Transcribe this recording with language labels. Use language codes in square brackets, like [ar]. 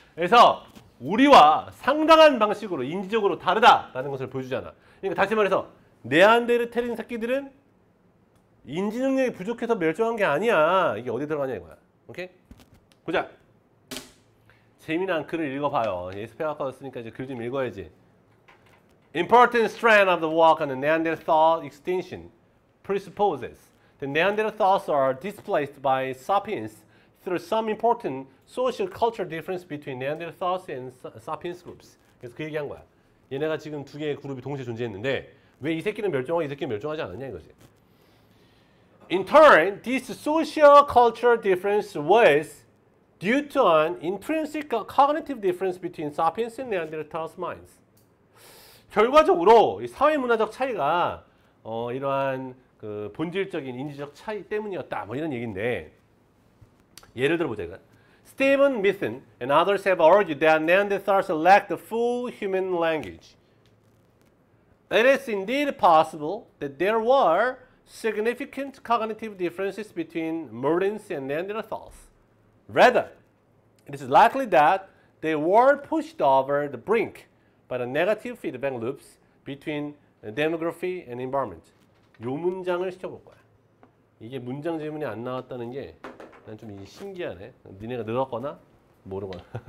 [ko] 그래서 우리와 상당한 방식으로 인지적으로 다르다라는 것을 보여주잖아. 그러니까 다시 말해서 네안데르탈인 새끼들은 인지 능력이 부족해서 멸종한 게 아니야. 이게 어디 들어가냐 이거야. 오케이? 보자. 재미난 글을 읽어봐요. 예습해갖고 왔으니까 이제 글 좀 읽어야지. [en] Important strand of the work on the Neanderthal extinction presupposes the Neanderthals are displaced by sapiens through some important social cultural difference between Neanderthals and sapiens groups. [ko] 그래서 그 얘기한 거야. 얘네가 지금 두 개의 그룹이 동시에 존재했는데 왜 이 새끼는 멸종하고 이 새끼는 멸종하지 않았냐 이거지. [en] In turn, this social cultural difference was due to an intrinsic cognitive difference between sapiens and Neanderthals minds. [ko] 결과적으로 이 사회문화적 차이가 이러한 그 본질적인 인지적 차이 때문이었다 뭐 이런 얘기인데 예를 들어보자. 이거. [en] Stephen Mithen and others have argued that Neanderthals lacked the full human language. It is indeed possible that there were significant cognitive differences between Murrins and Neanderthals. Rather, it is likely that they were pushed over the brink by the negative feedback loops between demography and environment. [ko] 요 문장을 시켜볼 거야. 이게 문장 질문이 안 나왔다는 게 난 좀 신기하네. 니네가 늙었거나 모르거나.